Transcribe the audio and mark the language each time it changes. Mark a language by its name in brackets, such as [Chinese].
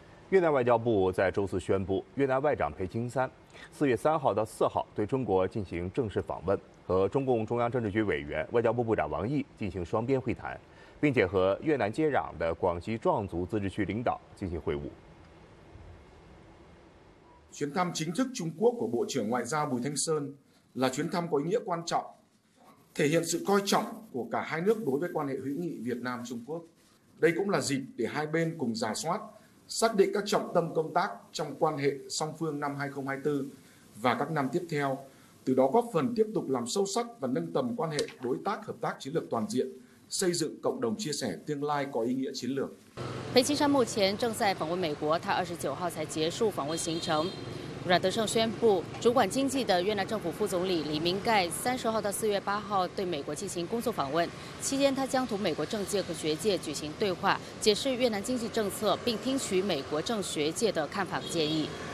[Chinese] 越南外交部在周四宣布，越南外长裴青三4月3号到4号对中国进行正式访问，和中共中央政治局委员、外交部部长王毅进行双边会谈，并且和越南接壤的广西壮族自治区领导进行会晤。宣布正式中国国务卿外长裴青三 [Vietnamese] là chuyến thăm có ý nghĩa quan trọng, thể hiện sự coi trọng của cả hai nước đối với quan hệ hữu nghị Việt Nam-Trung Quốc. Đây cũng là dịp để hai bên cùng rà soát, xác định các trọng tâm công tác trong quan hệ song phương năm 2024 và các năm tiếp theo, từ đó góp phần tiếp tục làm sâu sắc và nâng tầm quan hệ đối tác hợp tác chiến lược toàn diện, xây dựng cộng đồng chia sẻ tương lai có ý nghĩa chiến lược. [Chinese] 裴青山目前正在访问美国，他29号才结束访问行程。阮德胜宣布，主管经济的越南政府副总理李明盖30号到4月8号对美国进行工作访问，期间他将同美国政界和学界举行对话，解释越南经济政策，并听取美国政学界的看法和建议。